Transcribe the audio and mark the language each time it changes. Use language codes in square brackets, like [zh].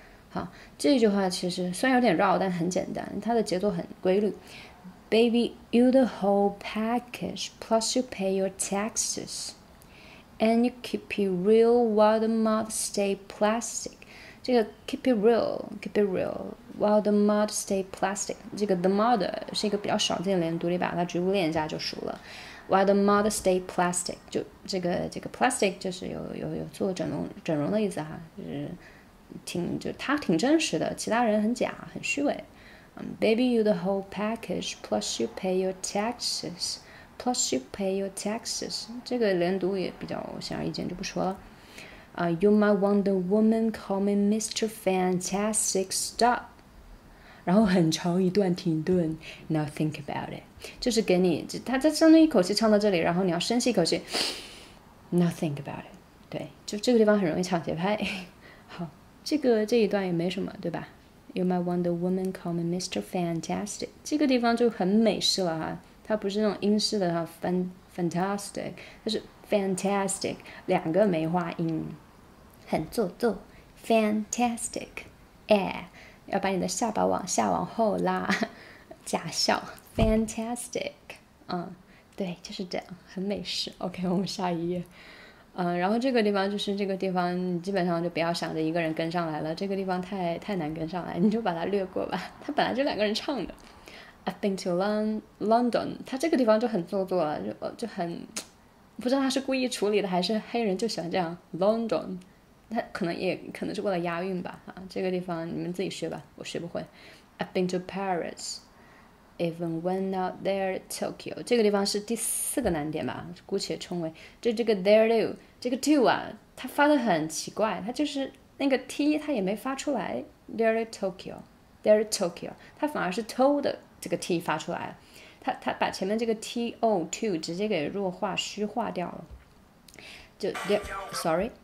[zh] 好，这句话其实虽然有点绕，但很简单，它的节奏很规律。 [en] Baby, you the whole package, plus you pay your taxes, and you keep it real while the mud stay plastic. 这个 keep it real, while the mud stay plastic. [zh] 这个 the mud 是一个比较少见的连读，你把它逐步练一下就熟了。 While the mother stay plastic，就这个 plastic 就是有做整容的意思哈，就是挺就他挺真实的，其他人很假很虚伪。 [en] Baby, you the whole package, plus you pay your taxes, plus you pay your taxes。 [zh] 这个连读也比较显而易见，就不说了。 [en] You my Wonder Woman, call me Mr. Fantastic, stop。 [zh] 然后很长一段停顿 ， Now think about it，就是给你，他在上面一口气唱到这里，然后你要深吸一口气 ，Now think about it， 对，就这个地方很容易抢节拍。好，这一段也没什么，对吧 ？ You my Wonder Woman, call me Mr. Fantastic， 这个地方就很美式了哈，它不是那种英式的哈 ，fantastic， 它是 fantastic， 两个梅花音，很做作 ，fantastic， yeah。要把你的下巴往下往后拉，假笑 ，fantastic， 对，就是这样，很美式。 OK， 我们下一页，然后这个地方就是这个地方，你基本上就不要想着一个人跟上来了，这个地方太难跟上来，你就把它略过吧。他本来就两个人唱的 ， I've been to London，他这个地方就很做作了，就很不知道他是故意处理的，还是黑人就喜欢这样 ，London。他可能是为了押韵吧，啊，这个地方你们自己学吧，我学不会。 [en] I've been to Paris, even went out there to Tokyo。 [zh] 这个地方是第四个难点吧，姑且称为就这个 there do 这个 do 啊，它发得很奇怪，它就是那个 t 它也没发出来 ， there Tokyo, there Tokyo，它反而是 to 的这个 t 发出来了，它把前面这个 to to 直接给弱化虚化掉了，就 there sorry。